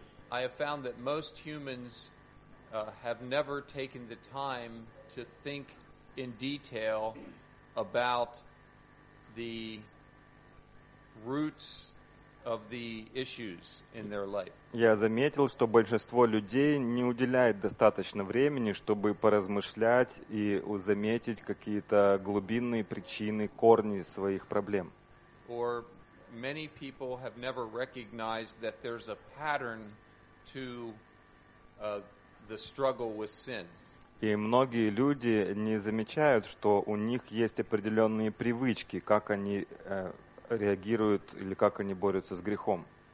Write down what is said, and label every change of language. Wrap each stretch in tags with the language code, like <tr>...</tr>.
<en>I have found that most humans have never taken the time to think in detail about the roots of the issues in their life.</en> <ru>Я заметил, что большинство людей не уделяет достаточно времени, чтобы поразмышлять и заметить какие-то глубинные причины, корни своих проблем.</ru> <en>Or many people have never recognized that there's a pattern to the struggle with sin.</en> <ru>И многие люди не замечают, что у них есть определенные привычки, как они реагируют или как они борются с грехом.</ru>